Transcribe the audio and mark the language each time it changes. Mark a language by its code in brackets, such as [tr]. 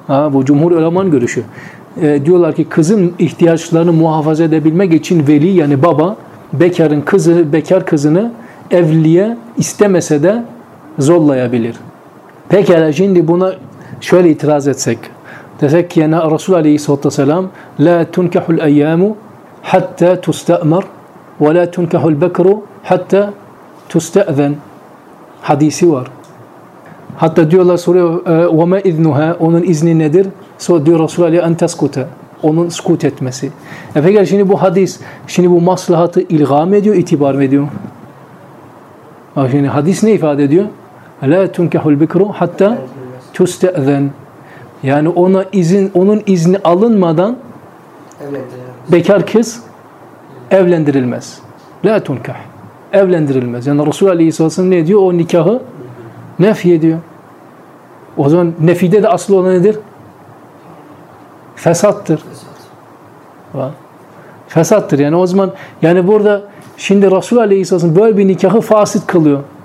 [tr] Ha, bu cumhur ulemanın görüşü. Diyorlar ki kızın ihtiyaçlarını muhafaza edebilmek için veli yani baba bekarın kızı, bekar kızını evliliğe istemese de zorlayabilir. Pekala, şimdi buna şöyle itiraz etsek. Desek ki yani Resulü Aleyhisselatü Vesselam [ar] لَا تُنْكَحُ الْاَيَّامُ حَتَّى تُسْتَأْمَرُ وَلَا تُنْكَحُ الْبَكْرُ حَتَّى تُسْتَأْذَنُ [tr] hadisi var. Hatta diyorlar, soruyor [ar] وَمَا اِذْنُهَا, [tr] onun izni nedir? Sonra diyor Resulü Aleyhi [ar] اَنْ تَسْكُتَ, [tr] onun sukut etmesi. Pekala, şimdi bu hadis, şimdi bu maslahatı ilgâ mı ediyor, itibar mı ediyor? Bak şimdi hadis ne ifade ediyor? [ar] لَا تُنْكَحُ الْبِكْرُ حَتَّى تُسْتَأْذَنُ. [tr] Yani ona izin, onun izni alınmadan bekar kız evlendirilmez. [ar] لَا تُنْكَحُ, [tr] evlendirilmez. Yani Resulü Aleyhisselam ne diyor? O nikahı nefh ediyor. O zaman nefide de asıl olan nedir? Fesattır. Fesattır. Yani o zaman, yani burada şimdi Resulü Aleyhisselam böyle bir nikahı fasit kılıyor.